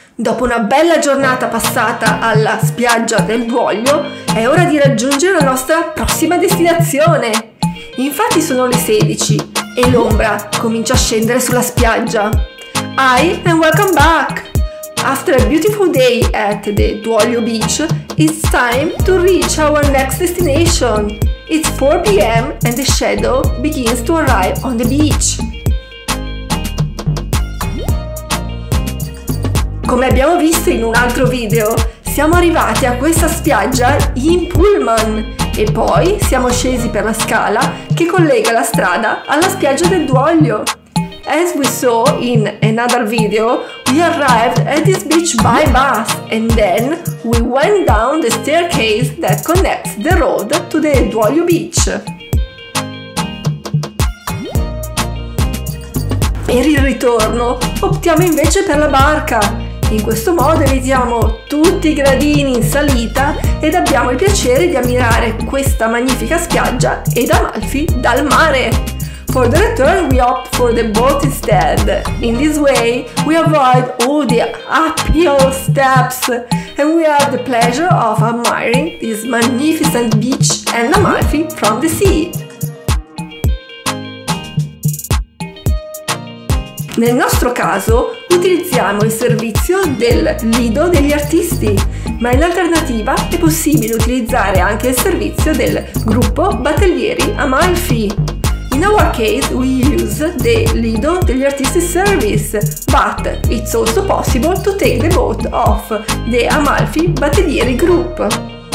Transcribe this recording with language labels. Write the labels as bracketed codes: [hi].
[it] Dopo una bella giornata passata alla spiaggia del Buoglio, è ora di raggiungere la nostra prossima destinazione! Infatti sono le 16 e l'ombra comincia a scendere sulla spiaggia. [en] Hi and welcome back! After a beautiful day at the Duoglio Beach, it's time to reach our next destination. It's 4 p.m. and the shadow begins to arrive on the beach. [it] Come abbiamo visto in un altro video, siamo arrivati a questa spiaggia in pullman e poi siamo scesi per la scala che collega la strada alla spiaggia del Duoglio. [en] As we saw in another video, we arrived at this beach by bus and then we went down the staircase that connects the road to the Duoglio Beach. [it] Per il ritorno optiamo invece per la barca. In questo modo evitiamo tutti i gradini in salita ed abbiamo il piacere di ammirare questa magnifica spiaggia ed Amalfi dal mare. [en] For the return, we opt for the boat instead. In this way, we avoid all the uphill steps and we have the pleasure of admiring this magnificent beach and Amalfi from the sea. [it] Nel nostro caso, utilizziamo il servizio del Lido degli Artisti, ma in alternativa è possibile utilizzare anche il servizio del gruppo Battellieri Amalfi. [en] In our case, we use the Lido degli Artisti service, but it's also possible to take the boat of the Amalfi Battellieri Group.